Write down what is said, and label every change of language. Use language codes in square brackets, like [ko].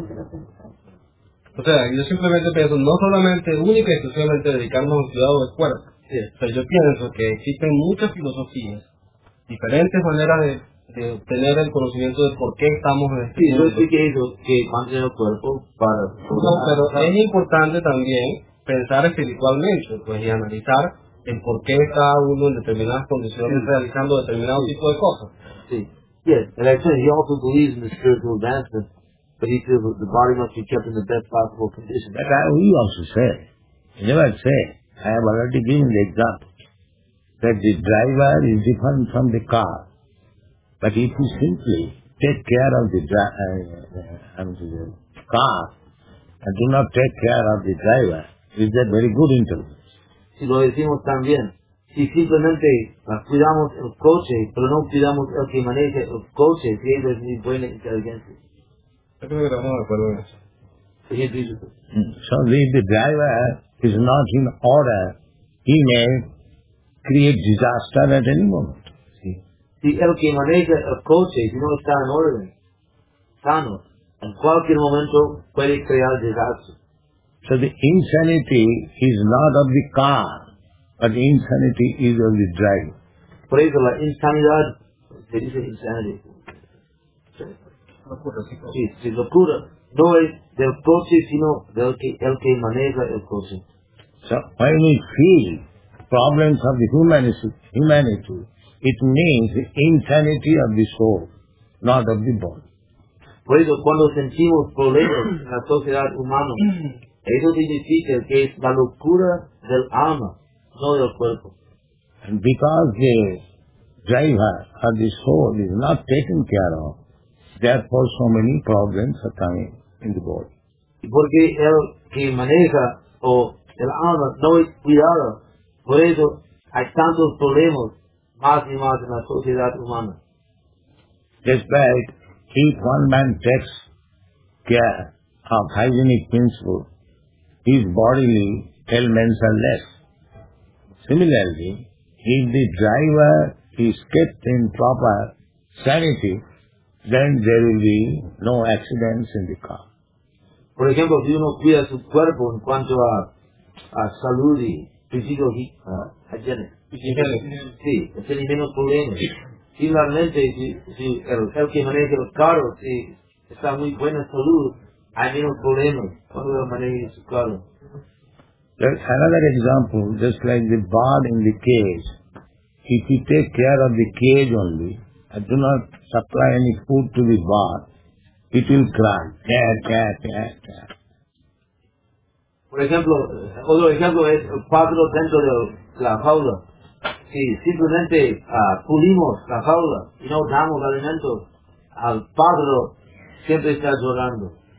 [es] O sea, yo simplemente pienso, no solamente única y exclusivamente dedicarnos al cuidado del cuerpo, pero yo pienso que existen muchas filosofías, diferentes maneras de obtener el conocimiento de por qué estamos en este mundo. Sí, yo sí que mantener el cuerpo para... No, pero es importante también pensar espiritualmente, pues, y analizar el por qué está uno en determinadas condiciones realizando determinado tipo de cosas. [en] Sí, yes, and actually he also believes in the spiritual advancement, but he feels that the body must be kept in the best possible condition. But he also said, he never said, I have already given the example, that the driver is different from the car. But if you simply take care of the car and do not take care of the driver, is that very good intelligence? [es] Si lo decimos también, si simplemente cuidamos el coche, pero no cuidamos el que maneja el coche, si es muy buena inteligencia. [en] So the driver is not in order, he may create disaster at any moment. [es] Si el que maneja el coche, si no está en orden, sano, en cualquier momento puede crear desastre. [en] So the insanity is not of the car, but the insanity is of the driver. [es] Por eso la insanidad, se dice insanity. Locura, sí, locura no es del coche, sino del que maneja el coche. [en] So when we feel problems of the humanity, it means the insanity of the soul, not of the body. [es] Por eso, cuando sentimos problemas en la sociedad humana, eso significa que es la locura del alma, no del cuerpo. [en] And because the driver of the soul is not taken care of, therefore so many problems are coming in the body. [es] Y porque el que maneja o el alma no es cuidado, por eso hay tantos problemas más y más en la sociedad humana. [en] Despite if one man takes care of hygienic principle, his bodily ailments are less. Similarly, if the driver is kept in proper sanity, then there will be no accidents in the car. [es] Por ejemplo, si uno cuida su cuerpo en cuanto a salud y físico, tiene menos problemas. Similarmente, si el que maneja los carros, si está muy buena salud, hay menos problemas cuando maneja su carro. [en] There's another example, just like the bird in the cage. If you take care of the cage only and do not supply any food to the bird, it will cry. Cat. [es] Por ejemplo, otro ejemplo es el pájaro dentro de la jaula. Si simplemente pulimos la jaula y no damos alimento, al pájaro siempre está llorando.